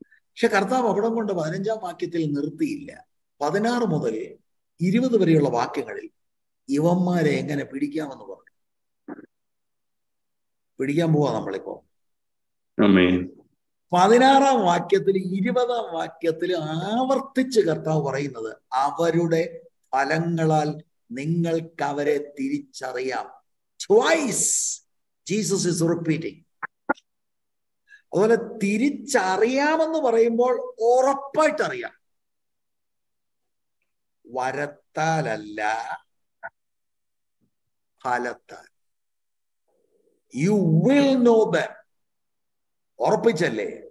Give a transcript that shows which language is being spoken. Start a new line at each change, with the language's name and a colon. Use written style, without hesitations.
Malayalam: പക്ഷെ കർത്താവ് അപകടം കൊണ്ട് 15 വാക്യത്തിൽ നിർത്തിയില്ല. 16 മുതൽ 20 വരെയുള്ള വാക്യങ്ങളിൽ ഇവന്മാരെ എങ്ങനെ പിടിക്കാമെന്ന് പറഞ്ഞു. പിടിക്കാൻ പോവാ നമ്മളിപ്പോ. 16 വാക്യത്തിൽ 20 വാക്യത്തിൽ ആവർത്തിച്ച് കർത്താവ് പറയുന്നത്, അവരുടെ ഫലങ്ങളാൽ നിങ്ങൾക്ക് അവരെ തിരിച്ചറിയാം.
English: Twice Jesus is repeating.
Malayalam: അതുപോലെ തിരിച്ചറിയാമെന്ന് പറയുമ്പോൾ ഉറപ്പായിട്ട് അറിയാം. വരത്താലല്ല, ഫലത്താൽ.
English: You will know them.
Malayalam: ഉറപ്പിച്ചല്ലേ?